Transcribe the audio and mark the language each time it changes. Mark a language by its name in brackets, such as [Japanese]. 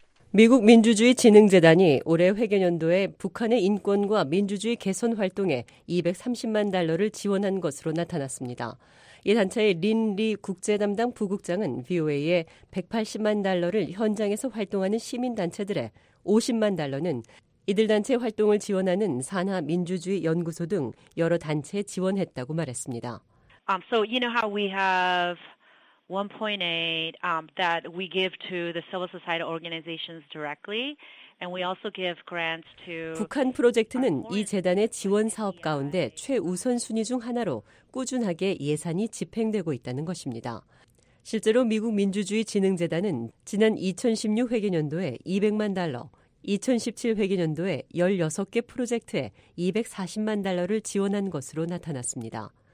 [Korean] 미국 민주주의진흥재단이 올해 회계연도에 북한의 인권과 민주주의 개선 활동에 230만 달러를 지원한 것으로 나타났습니다. 이 단체의 린 리 국제담당 부국장은 VOA에 180만 달러를 현장에서 활동하는 시민단체들의 50만 달러는 이들 단체 활동을 지원하는 산하 민주주의 연구소 등 여러 단체에 지원했다고 말했습니다. [English] So you know how we have 1.8 that we give to the civil society organizations directly. And we also give grants to. [Korean] 북한 프로젝트는 이 재단의 지원 사업 가운데 최우선 순위 중 하나로 꾸준하게 예산이 집행되고 있다는 것입니다. 실제로 미국 민주주의진흥재단은 지난 2016 회계연도에 200만 달러, 2017 회계연도에 16개 프로젝트에 240만 달러를 지원한 것으로 나타났습니다.